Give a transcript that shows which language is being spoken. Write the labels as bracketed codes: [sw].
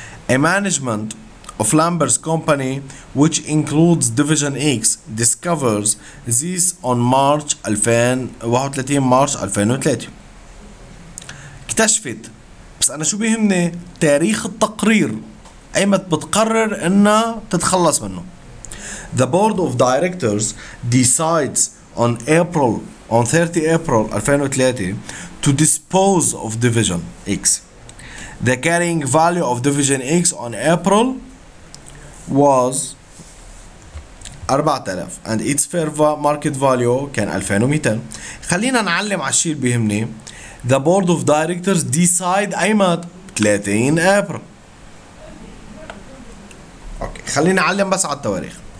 [en] A management of Lambert's company which includes division X discovers this on March 31 2003. [ar] اكتشفت، بس انا شو بيهمني تاريخ التقرير، ايمت بتقرر انها تتخلص منه. [en] The board of directors decides on April 30 2003 to dispose of division X. The carrying value of division X on April was 4000 and its fair market value كان 2200. [ar] خلينا نعلم على الشيء اللي بيهمني. [en] The board of directors decide ايمت 30 April. [ar] اوكي خلينا نعلم بس على التواريخ.